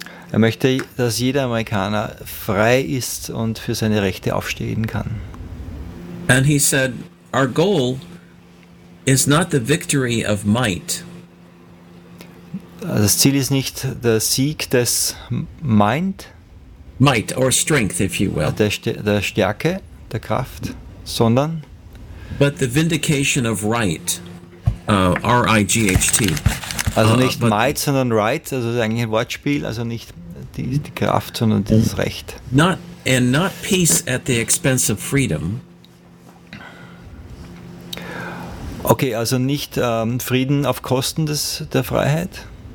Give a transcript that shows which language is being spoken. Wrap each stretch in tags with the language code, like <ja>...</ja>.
<de>Er möchte, dass jeder Amerikaner frei ist und für seine Rechte aufstehen kann.</de> <en>And he said, our goal is not the victory of might.</en> <de>Das Ziel ist nicht der Sieg des Mind.</de> <en>Might or strength, if you will.</en> <de>Der Stärke, der Kraft, sondern</de> <en>but the vindication of right, R-I-G-H-T.</en> <de>Also nicht might, sondern right, also eigentlich ein Wortspiel, also nicht die Kraft, sondern dieses Recht.</de> <en>Not peace at the expense of freedom.</en> <de>Okay, also nicht Frieden auf Kosten der Freiheit.</de>